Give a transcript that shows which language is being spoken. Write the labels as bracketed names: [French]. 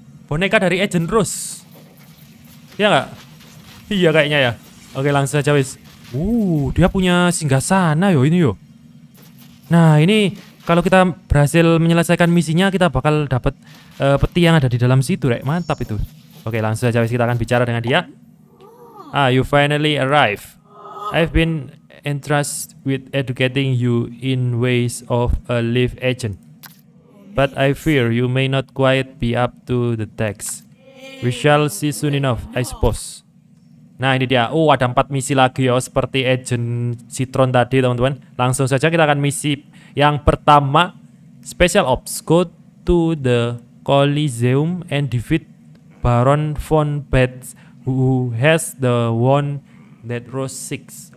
[Indonesian] Boneka dari Agent Rose. Iya enggak? Iya kayaknya ya. Oke, langsung aja, wis. Dia punya singgasana yo ini yo. Nah, ini kalau kita berhasil menyelesaikan misinya, kita bakal dapat peti yang ada di dalam situ, Rek. Mantap itu. Oke, langsung aja, wis, kita akan bicara dengan dia. [English] You finally arrive. I've been entrusted with educating you in ways of a leaf agent. But I fear you may not quite be up to the task. We shall see soon enough, I suppose. [Indonesian] Nah, ini dia. Ada 4 misi lagi ya, seperti Agent Citron tadi, teman-teman. Langsung saja kita akan misi yang pertama. [English] Special Ops, go to the Coliseum and defeat Baron von Betz, who has the one that rose 6.